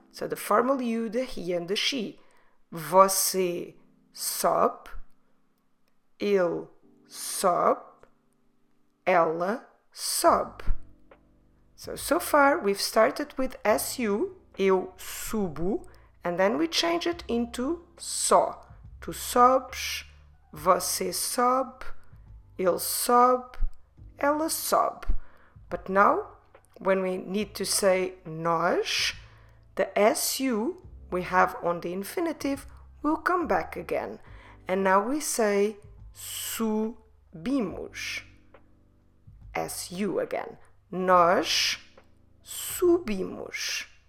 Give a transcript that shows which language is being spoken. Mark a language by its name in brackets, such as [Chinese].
[English] So the formal you, the he, and the she. [Portuguese] Você sobe, ele sobe, ela sobe. [English] So far we've started with su, eu subo, and then we change it into só. [Portuguese] Tu sobes, você sobe, ele sobe, ela sobe. [English] But now, when we need to say nós, the SU we have on the infinitive will come back again. And now we say subimos. as you again. [Portuguese] Nós subimos.